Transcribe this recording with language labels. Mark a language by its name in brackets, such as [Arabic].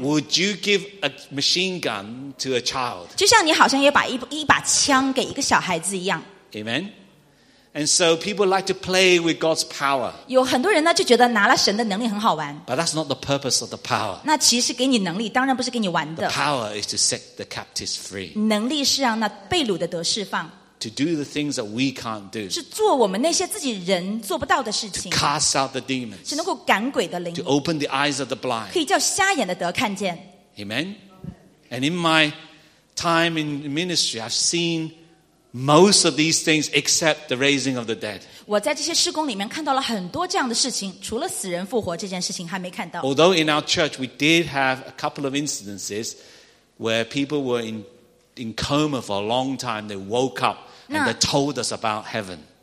[English] Would you give a machine gun to a child? [Chinese] 就像你好像也把一把枪给一个小孩子一样。 [English] Amen. And so people like to play with God's power. [Chinese] 有很多人呢就觉得拿了神的能力很好玩。 [English] But that's not the purpose of the power. [Chinese] 那其实给你能力当然不是给你玩的。 [English] The power is to set the captives free. [Chinese] 能力是让那被掳的得释放。 [English] To do the things that we can't do. [Chinese] 是做我们那些自己人做不到的事情。 [English] To cast out the demons. [Chinese] 是能够赶鬼的灵。 [English] To open the eyes of the blind. [Chinese] 可以叫瞎眼的得看见。 [English] Amen. And in my time in ministry, I've seen most of these things except the raising of the dead. [Chinese] 我在这些事工里面看到了很多这样的事情，除了死人复活这件事情还没看到。 [English] Although in our church, we did have a couple of instances where people were in coma for a long time, they woke up and they told us about heaven.